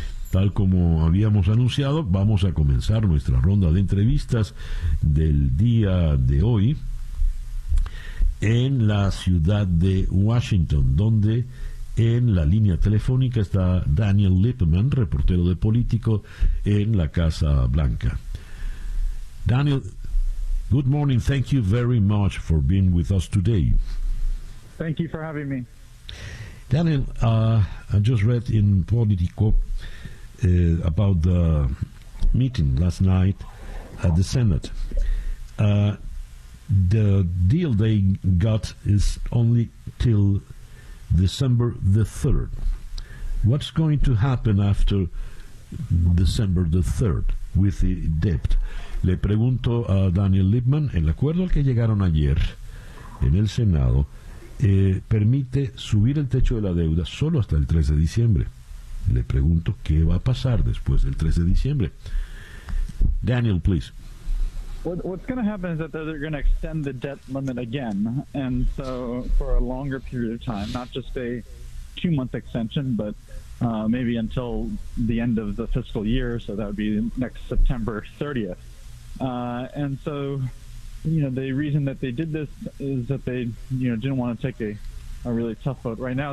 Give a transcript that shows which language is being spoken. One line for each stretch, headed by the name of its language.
Spanish: Tal como habíamos anunciado, vamos a comenzar nuestra ronda de entrevistas del día de hoy en la ciudad de Washington, donde en la línea telefónica está Daniel Lippmann, reportero de Político en la Casa Blanca.
English: Daniel, good morning. Thank you very much for being with us today. Thank you for having me. Daniel, I just read in Politico about the meeting last night at the Senate. The deal they got is only till December the 3rd. What's going to happen after December the 3rd with the debt?
Spanish: Le pregunto a Daniel Lippmann, el acuerdo al que llegaron ayer en el Senado permite subir el techo de la deuda solo hasta el 3 de diciembre. Le pregunto qué va a pasar después del 3 de diciembre.
English: Daniel, please. What's going to happen is that they're going to extend the debt limit again, and so for a longer period of time, not just a two-month extension, but maybe until the end of the fiscal year, so that would be next September 30th. And so, you know, the reason that they did this is that they, you know, didn't want to take a really tough vote right now.